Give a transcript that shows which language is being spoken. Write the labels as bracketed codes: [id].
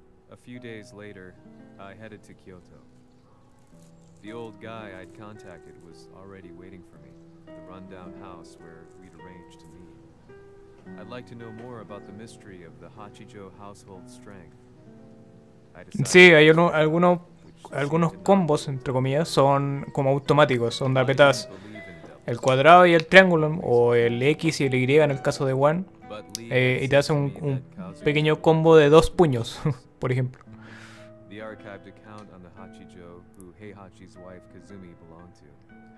[en] A few days later, I headed to Kyoto. The old guy I'd contacted was already waiting for me at the rundown house where we'd arranged to meet. I'd like to know more about the mystery of the Hachijo household strength. [es] Sí, hay algunos combos, entre comillas, son como automáticos. Son de apretas el cuadrado y el triángulo, o el X y el Y en el caso de One, y te hace un pequeño combo de dos puños, por ejemplo. [en] The archived account on the Hachijo who Heihachi's wife Kazumi belonged to.